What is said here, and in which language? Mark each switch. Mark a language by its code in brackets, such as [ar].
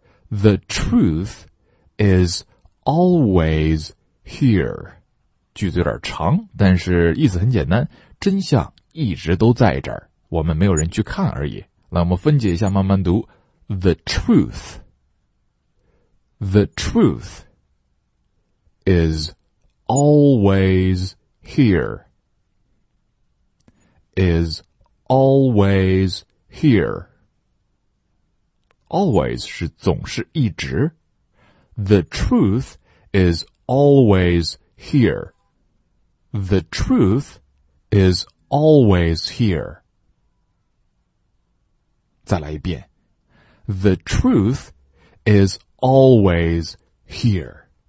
[en] The truth is always here. [zh] 句子有点长，但是意思很简单，真相一直都在这儿，我们没有人去看而已。来，我们分解一下，慢慢读。 [en] The truth. The truth is always here. is always here. [zh] Always 是总是一直。 [en] The truth is always here. The truth is always here. [zh] 再来一遍。 [en] The truth is always here.